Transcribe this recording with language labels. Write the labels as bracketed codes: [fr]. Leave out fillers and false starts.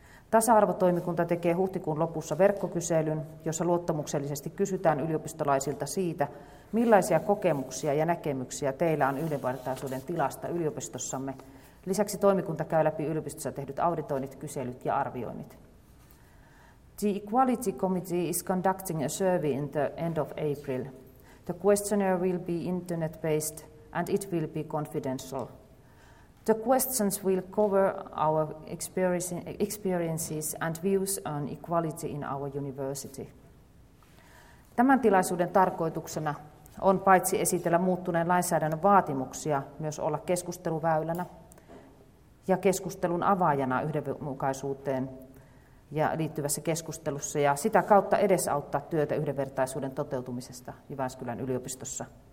[fi] Tasa-arvotoimikunta tekee huhtikuun lopussa verkkokyselyn, jossa luottamuksellisesti kysytään yliopistolaisilta siitä, millaisia kokemuksia ja näkemyksiä teillä on yhdenvertaisuuden tilasta yliopistossamme. Lisäksi toimikunta käy läpi yliopistossa tehdyt auditoinnit, kyselyt ja arvioinnit. [en] The Equality Committee is conducting a survey in the end of April. The questionnaire will be internet-based and it will be confidential. The questions will cover our experiences and views on equality in our university. [fi] Tämän tilaisuuden tarkoituksena on paitsi esitellä muuttuneen lainsäädännön vaatimuksia, myös olla keskusteluväylänä ja keskustelun avaajana yhdenmukaisuuteen ja liittyvässä keskustelussa ja sitä kautta edesauttaa työtä yhdenvertaisuuden toteutumisesta Jyväskylän yliopistossa.